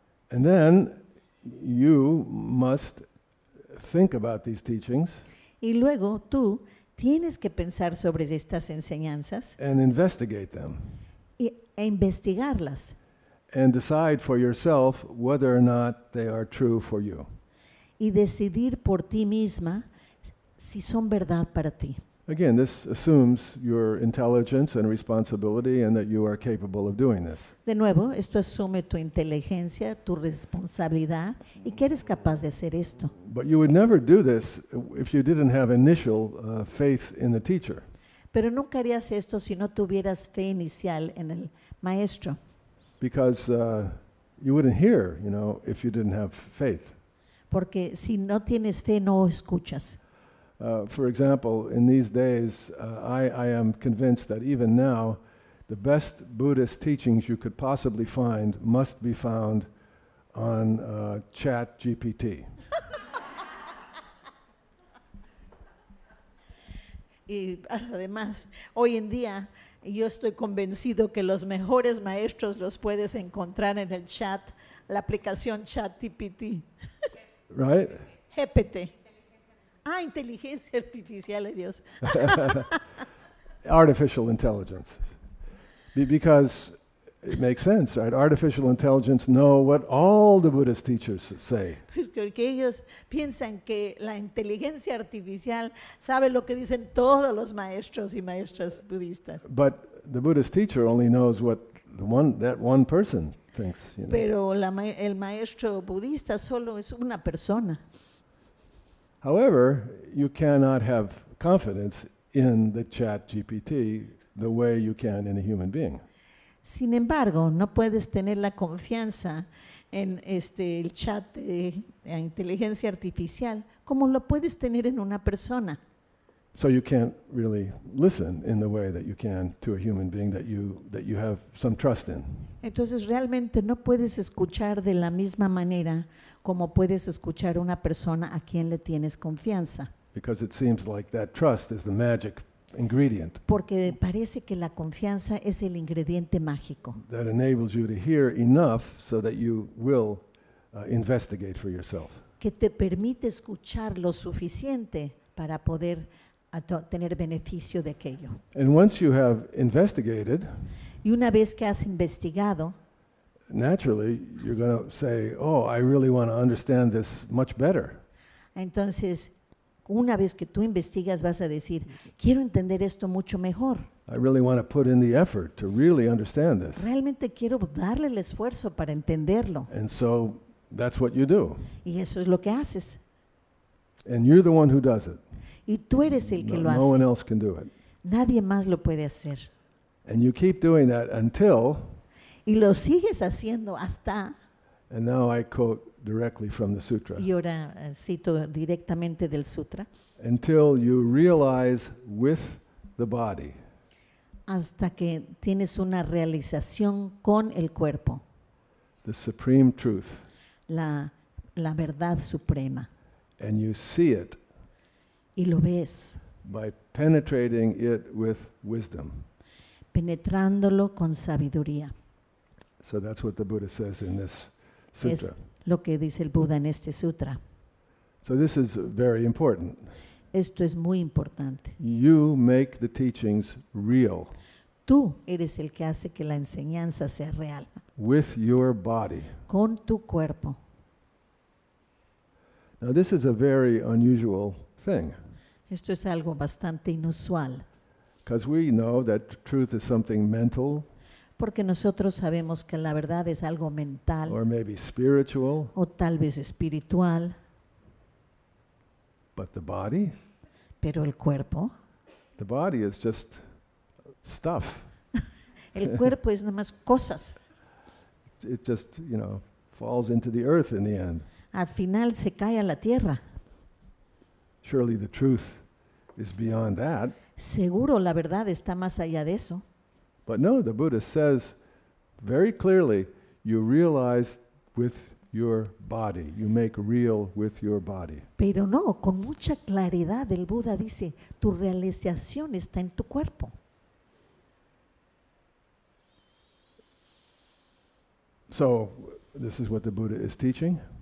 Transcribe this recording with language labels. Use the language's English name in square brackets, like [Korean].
[English] And then you must think about these teachings. [Spanish] Y luego tú tienes que pensar sobre estas enseñanzas. [English] And investigate them. [Spanish] E investigarlas. [English] And decide for yourself whether or not they are true for you. [Spanish] Y decidir por ti misma si son verdad para ti. [English] Again, this assumes your intelligence and responsibility and that you are capable of doing this. [Spanish] De nuevo, esto asume tu inteligencia, tu responsabilidad y que eres capaz de hacer esto. [English] But you would never do this if you didn't have initial faith in the teacher. [Spanish] Pero nunca harías esto si no tuvieras fe inicial en el maestro. [English] Because you wouldn't hear, you know, if you didn't have faith. [Spanish] Porque si no tienes fe, no escuchas. [English] For example, in these days, I am convinced that even now, the best Buddhist teachings you could possibly find must be found on ChatGPT. [Spanish] Y además, hoy en día, yo estoy convencido que los mejores maestros los puedes encontrar en el chat, la aplicación ChatGPT. [English] Right? [Spanish] GPT. Ah, inteligencia artificial, Dios. [English] Artificial intelligence. Because it makes sense, right? Artificial intelligence know what all the Buddhist teachers say. [Spanish] Porque ellos piensan que la inteligencia artificial sabe lo que dicen todos los maestros y maestras budistas. [English] But the Buddhist teacher only knows what that one person thinks. You know. [Spanish] Pero el maestro budista solo es una persona. [English] However, you cannot have confidence in the ChatGPT the way you can in a human being. [Spanish] Sin embargo, no puedes tener la confianza en el chat de inteligencia artificial como lo puedes tener en una persona. [English] So you can't really listen in the way that you can to a human being that you have some trust in. [Spanish] Entonces realmente no puedes escuchar de la misma manera como puedes escuchar a una persona a quien le tienes confianza. [English] Because it seems like that trust is the magic ingredient. [Spanish] Porque parece que la confianza es el ingrediente mágico. [English] That enables you to hear enough so that you will investigate for yourself. [Spanish] Que te permite escuchar lo suficiente para poder tener beneficio de aquello. [English] And once you have investigated, [Spanish] y una vez que has investigado, [English] naturally you're going to say, "Oh, I really want to understand this much better." [Spanish] Entonces, una vez que tú investigas, vas a decir, "Quiero entender esto mucho mejor." [English] I really want to put in the effort to really understand this. [Spanish] Realmente quiero darle el esfuerzo para entenderlo. [English] And so that's what you do. [Spanish] Y eso es lo que haces. [English] And you're the one who does it. [Spanish] Y tú eres el que no, lo hace. [English] No one else can do it. [Spanish] Nadie más lo puede hacer. [English] And you keep doing that until. [Spanish] Y lo sigues haciendo hasta. [English] And now I quote directly from the sutra. [Spanish] Y ahora cito directamente del sutra. [English] Until you realize with the body. [Spanish] Hasta que tienes una realización con el cuerpo. [English] The supreme truth. [Spanish] La verdad suprema. [English] And you see it. [Spanish] Y lo ves. [English] By penetrating it with wisdom. [Spanish] Penetrándolo con sabiduría. [English] So that's what the Buddha says in this sutra. [Spanish] Es lo que dice el Buda en este sutra. [English] So this is very important. [Spanish] Esto es muy importante. [English] You make the teachings real. [Spanish] Tú eres el que hace que la enseñanza sea real. [English] With your body. [Spanish] Con tu cuerpo. [English] Now, this is a very unusual thing. [Spanish] Esto es algo bastante inusual. [English] Because we know that truth is something mental. [Spanish] Porque nosotros sabemos que la verdad es algo mental. [English] Or maybe spiritual. [Spanish] O tal vez espiritual. [English] But the body? [Spanish] Pero el cuerpo. [English] The body is just stuff. [Spanish] El cuerpo es nada más cosas. [English] It just, you know, falls into the earth in the end. [Spanish] Al final se cae a la tierra. [English] Surely the truth is beyond that. [Spanish] Seguro la verdad está más allá de eso. [English] But no, the Buddha says very clearly, you realize with your body, you make real with your body. [Spanish] Pero no, con mucha claridad el Buda dice, tu realización está en tu cuerpo. [English] So, this is what the Buddha is teaching.